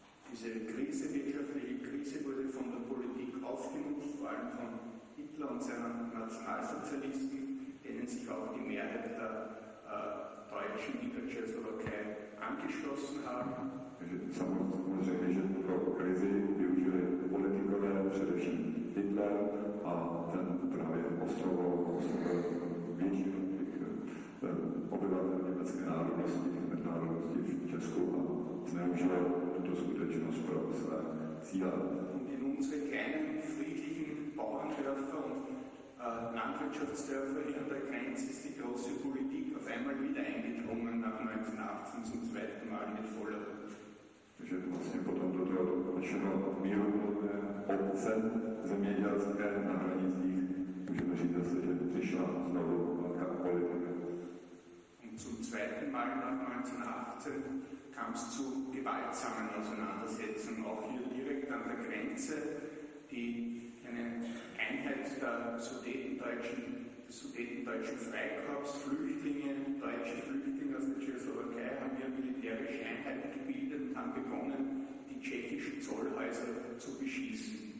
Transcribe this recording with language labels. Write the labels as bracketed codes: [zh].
[de] Diese Krise, wirtschaftliche Krise, wurde von der Politik aufgenommen, vor allem von Hitler und seinen Nationalsozialisten, denen sich auch die Mehrheit der Deutschen in der Tschechoslowakei angeschlossen haben. [cs] Samozřejmě, že pro krizi využili politikové, především Hitler, a ten právě ostrovoval většinu těch obyvatel německé národnosti, národnosti v Česku a zneužíval tuto skutečnost pro své cíle. [de] Und in unsere kleinen friedlichen Bauerndörfer und Landwirtschaftsdörfer hier an der Grenze ist die große Politik auf einmal wieder eingedrungen nach 1918 zum zweiten Mal mit voller Wucht. [cs] Takže vlastně potom do toho našeho míru obce zemědělské na hranicích můžeme říct zase, že přišla znovu velká politika. [de] Und zum zweiten Mal nach 1918 kam es zu gewaltsamen Auseinandersetzungen, auch hier direkt an der Grenze, die eine Einheit der Sudetendeutschen, des Sudetendeutschen Freikorps, Flüchtlinge, deutsche Flüchtlinge aus der Tschechoslowakei haben hier militärische Einheiten gebildet und haben begonnen, die tschechischen Zollhäuser zu beschießen.